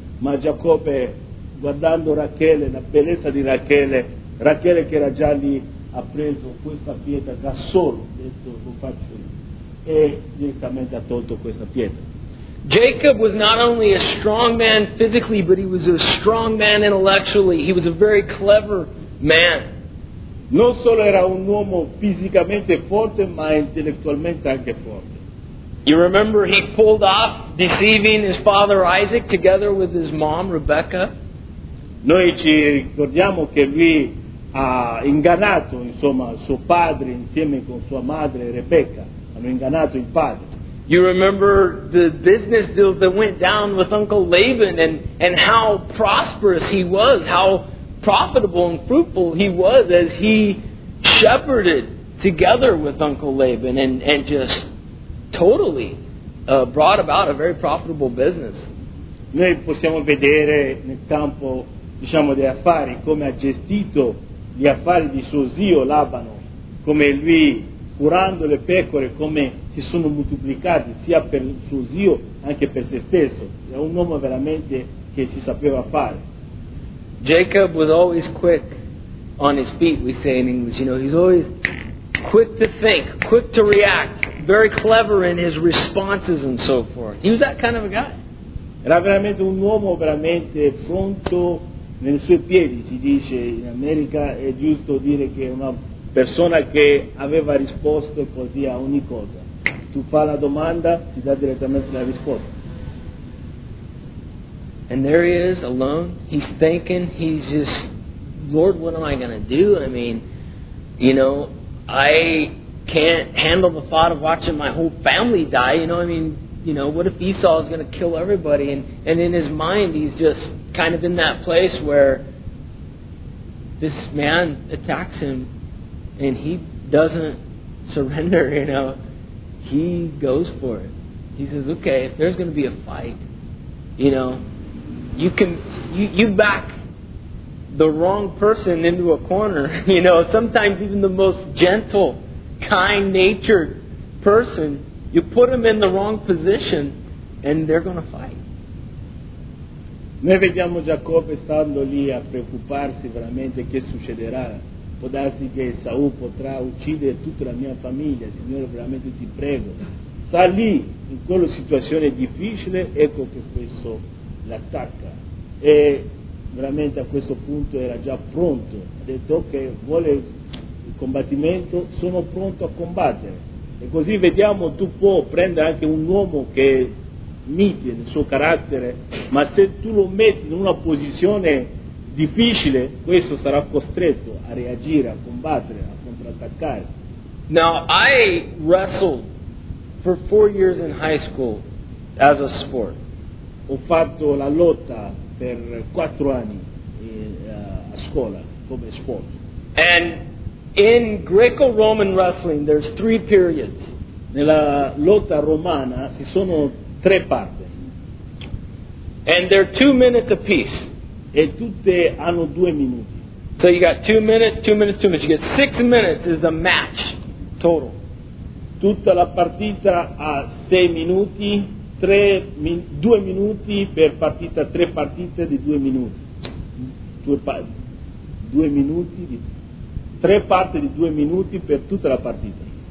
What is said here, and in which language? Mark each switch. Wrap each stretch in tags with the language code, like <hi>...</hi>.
<it>Ma Giacobbe, guardando Rachele, la bellezza di Rachele, Rachele che era già lì, ha preso questa pietra da solo, ha detto lo faccio io, e direttamente ha tolto questa pietra.</it> <en>Jacob was not only a strong man physically, but he was a strong man intellectually. He was a very clever man.</en> <it>Non solo era un uomo fisicamente forte, ma intellettualmente anche forte.</it> <en>You remember he pulled off deceiving his father Isaac together with his mom Rebecca?</en> <it>Noi ci ricordiamo che lui ha ingannato, insomma, suo padre insieme con sua madre Rebecca. Hanno ingannato il padre.</it> <en>You remember the business deals that went down with Uncle Laban and how prosperous he was, how profitable and fruitful he was as he shepherded together with Uncle Laban and just totally brought about a very profitable business.</en> <it>Noi possiamo vedere nel campo, diciamo, degli affari, come ha gestito gli affari di suo zio Labano, come lui curando le pecore, come si sono moltiplicati sia per suo zio anche per se stesso. È un uomo veramente che si sapeva fare.</it> <en>Jacob was always quick on his feet, we say in English. You know, he's always quick to think, quick to react, very clever in his responses and so forth. He was that kind of a guy. Era veramente un uomo veramente pronto nei suoi piedi, si dice in America, è giusto dire che è una persona che aveva risposto così a ogni cosa. Tu fa la domanda, ti dà direttamente la risposta. And there he is, alone, he's thinking, he's just, Lord, what am I going to do? I mean, you know, I can't handle the thought of watching my whole family die, you know, I mean, you know, what if Esau is going to kill everybody? And in his mind, he's just kind of in that place where this man attacks him and he doesn't surrender, you know. He goes for it. He says, okay, if there's going to be a fight, you know, you can, you back the wrong person into a corner. You know, sometimes even the most gentle, kind-natured person, you put them in the wrong position and they're going to fight.</en> <it>Noi vediamo Giacobbe stando lì a preoccuparsi veramente che succederà. Può darsi che Saul potrà uccidere tutta la mia famiglia, Signore, veramente ti prego. Sta lì, in quella situazione difficile, ecco che questo l'attacca. E veramente a questo punto era già pronto. Ha detto che vuole il combattimento, sono pronto a combattere. E così vediamo, tu puoi prendere anche un uomo che è mite nel suo carattere, ma se tu lo metti in una posizione difficile, questo sarà costretto a reagire, a combattere, a contrattaccare.</it> <en>Now, I wrestled for 4 years in high school as a sport.</en> <it>Ho fatto la lotta per 4 anni a scuola come sport.</it> <en>And in Greco-Roman wrestling, there's 3 periods.</en> <it>Nella lotta romana ci sono 3 parti.</it> <en>And they're 2 minutes apiece.</en> <it>E tutte hanno 2 minuti.</it> <en>So you got 2 minutes, 2 minutes, 2 minutes. You get 6 minutes is a match total.</en> <it>Tutta la partita ha 6 minuti, 2 minuti per partita, 3 partite di 2 minuti. 2 minuti, 3 parti di 2 minuti per tutta la partita.</it>